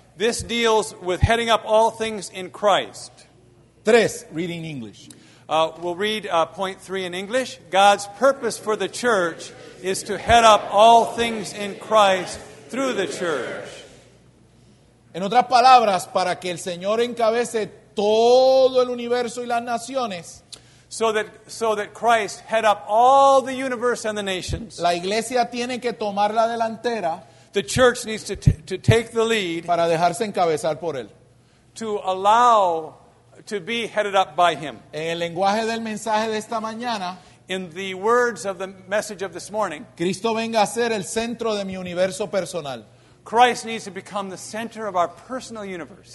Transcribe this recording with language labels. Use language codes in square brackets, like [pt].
[en] This deals with heading up all things in Christ. Tres, reading English. We'll read point three in English. God's purpose for the church is to head up all things in Christ through the church. [es] En otras palabras, para que el Señor encabece todo el universo y las naciones, [en] So that Christ head up all the universe and the nations. [es] La iglesia tiene que tomar la delantera. [en] The church needs to take the lead. [es] Para dejarse encabezar por él. [en] To allow to be headed up by him. [es] En el lenguaje del mensaje de esta mañana, [en] in the words of the message of this morning, [es] Cristo venga a ser el centro de mi universo personal. [en] Christ needs to become the center of our personal universe.